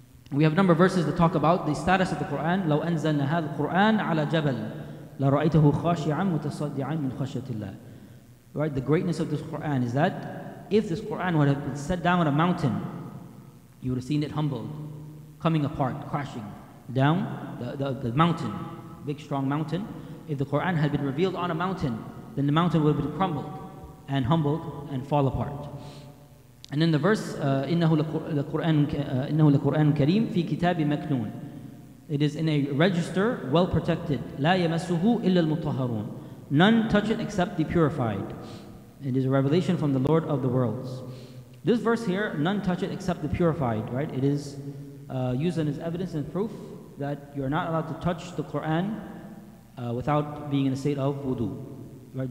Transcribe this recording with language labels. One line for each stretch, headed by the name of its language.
English: We have a number of verses that talk about the status of the Quran.
Arabic: لو أنزلنا هذا القرآن على جبل لرأيته خاشعا متصدعا من خشية الله.
English: Right, the greatness of this Quran is that if this Quran would have been set down on a mountain, you would have seen it humbled, coming apart, crashing down the mountain, big strong mountain. If the Quran had been revealed on a mountain, then the mountain would have been crumbled and humbled and fall apart. And then the verse,
Arabic: إِنَّهُ لَقُرْآنٌ كَرِيمٌ فِي كِتَابٍ مَكْنُونٌ.
English: It is in a register, well protected.
Arabic: لَا يَمَسُّهُ إِلَّا الْمُطَهَرُونَ.
English: None touch it except the purified. It is a revelation from the Lord of the worlds. This verse here, none touch it except the purified, right? It is used as evidence and proof that you're not allowed to touch the Quran without being in a state of wudu. Right?